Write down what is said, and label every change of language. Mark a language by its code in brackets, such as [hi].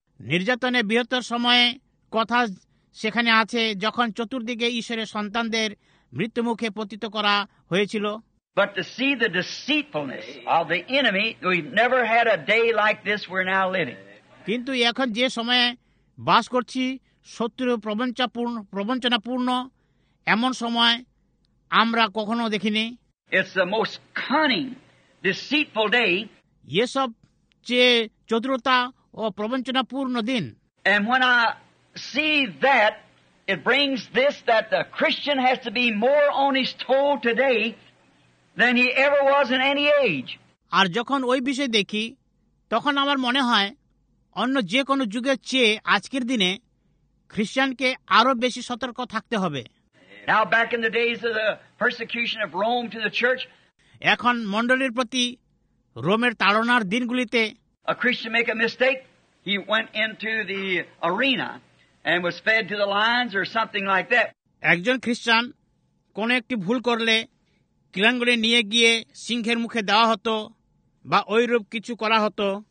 [bn] নির্যাতনের বৃহত্তর সময়ে কথা সেখানে আছে যখন চতুর্দিকে ঈশ্বরের সন্তানদের মৃত্যুমুখে পতিত করা হয়েছিল। [en] But to see the deceitfulness of the enemy, we've never had a day like this we're now living. [bn] কিন্তু এখন যে সময়ে বাস করছি শত্রু প্রবঞ্চনাপূর্ণ এমন সময় আমরা কখনো দেখিনি। [en] It's the most cunning, deceitful day. [bn] এসব যে চতুরতা ও প্রবঞ্চনাপূর্ণ দিন। [en] And when I see that, it brings this, that the Christian has to be more on his toe today than he ever was in any age. [bn] আর যখন ওই বিষয় দেখি তখন আমার মনে হয় অন্য যে কোনো যুগের চেয়ে আজকের দিনে খ্রিস্টানকে আরো বেশি সতর্ক থাকতে হবে। [en] Now back in the days of the persecution of Rome to the church, [bn] এখন মণ্ডলীর প্রতি রোমের তাড়নার দিনগুলিতে, [en] a Christian make a mistake, he went into the arena and was fed to the lions or something like that. [bn] একজন খ্রিস্টান কোন একটি ভুল করলে ক্রীড়াঙ্গনে নিয়ে গিয়ে সিংহের মুখে দেওয়া হতো বা ঐরূপ কিছু করা হতো।